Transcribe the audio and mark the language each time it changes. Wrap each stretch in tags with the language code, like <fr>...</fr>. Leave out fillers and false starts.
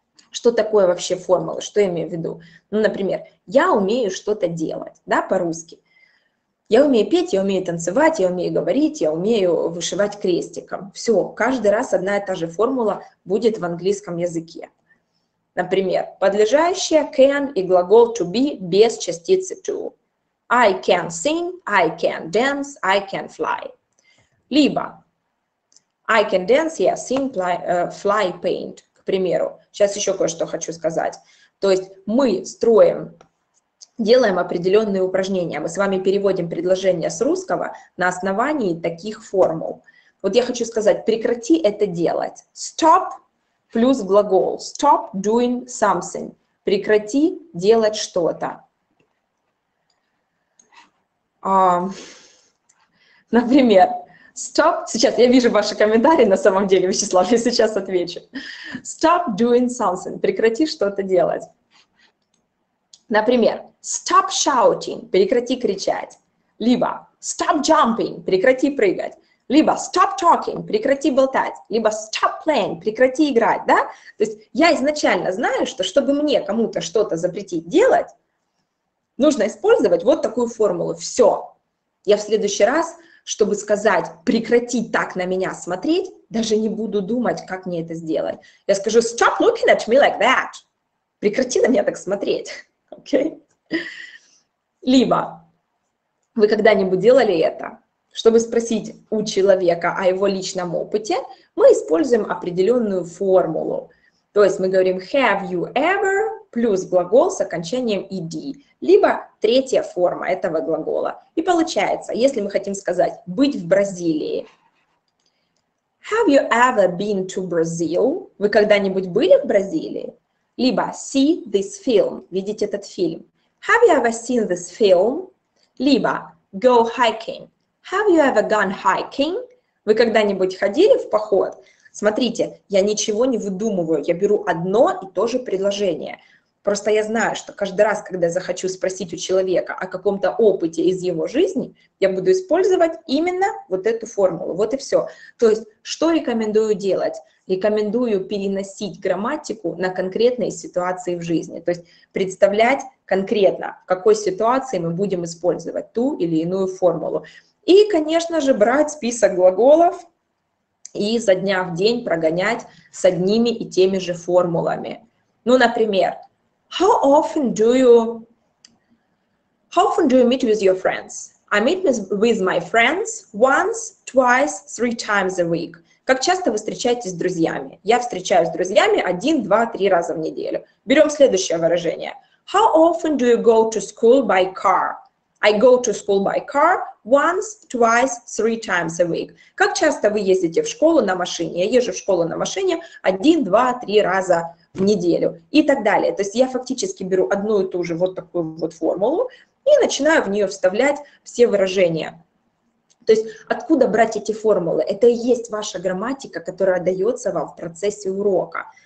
<ru>Что такое вообще формулы, что я имею в виду? Ну, например, я умею что-то делать, да, по-русски. Я умею петь, я умею танцевать, я умею говорить, я умею вышивать крестиком. Все, каждый раз одна и та же формула будет в английском языке. Например, подлежащее can и глагол to be без частицы to.</ru> <en>I can sing, I can dance, I can fly. Либо I can dance, yeah, sing, fly, fly, paint.</en> <ru>К примеру, сейчас еще кое-что хочу сказать. То есть мы строим, делаем определенные упражнения. Мы с вами переводим предложение с русского на основании таких формул. Вот я хочу сказать, прекрати это делать.</ru> <en>Stop.</en> <ru>Плюс глагол</ru> <en>stop doing something.</en> <ru>Прекрати делать что-то. Например, stop... Сейчас, я вижу ваши комментарии на самом деле, Вячеслав, я сейчас отвечу.</ru> <en>Stop doing something.</en> <ru>Прекрати что-то делать.</ru> <en>Например, stop shouting.</en> <ru>Прекрати кричать.</ru> <en>Либо stop jumping.</en> <ru>Прекрати прыгать. Либо</ru> <en>stop talking,</en> <ru>прекрати болтать, либо</ru> <en>stop playing,</en> <ru>прекрати играть, да? То есть я изначально знаю, что чтобы мне кому-то что-то запретить делать, нужно использовать вот такую формулу. Все, я в следующий раз, чтобы сказать прекрати так на меня смотреть, даже не буду думать, как мне это сделать. Я скажу</ru> <en>stop looking at me like that,</en> <ru>прекрати на меня так смотреть, окей? Либо вы когда-нибудь делали это? Чтобы спросить у человека о его личном опыте, мы используем определенную формулу. То есть мы говорим</ru> <en>have you ever</en> <ru>плюс глагол с окончанием ed, либо третья форма этого глагола. И получается, если мы хотим сказать быть в Бразилии,</ru> <en>have you ever been to Brazil?</en> <ru>Вы когда-нибудь были в Бразилии? Либо</ru> <en>see this film,</en> <ru>видеть этот фильм.</ru> <en>Have you ever seen this film? Либо go hiking. Have you ever gone hiking?</en> <ru>Вы когда-нибудь ходили в поход? Смотрите, я ничего не выдумываю, я беру одно и то же предложение. Просто я знаю, что каждый раз, когда я захочу спросить у человека о каком-то опыте из его жизни, я буду использовать именно вот эту формулу. Вот и все. То есть, что рекомендую делать? Рекомендую переносить грамматику на конкретные ситуации в жизни. То есть, представлять конкретно, в какой ситуации мы будем использовать ту или иную формулу. И, конечно же, брать список глаголов и за дня в день прогонять с одними и теми же формулами. Ну, например,</ru> <en>how often do you meet with your friends? I meet with my friends once, twice, three times a week.</en> <ru>Как часто вы встречаетесь с друзьями? Я встречаюсь с друзьями 1, 2, 3 раза в неделю. Берем следующее выражение.</ru> <en>How often do you go to school by car? I go to school by car once, twice, three times a week.</en> <ru>Как часто вы ездите в школу на машине? Я езжу в школу на машине 1, 2, 3 раза в неделю и так далее. То есть я фактически беру одну и ту же вот такую вот формулу и начинаю в нее вставлять все выражения. То есть откуда брать эти формулы? Это и есть ваша грамматика, которая дается вам в процессе урока.</ru>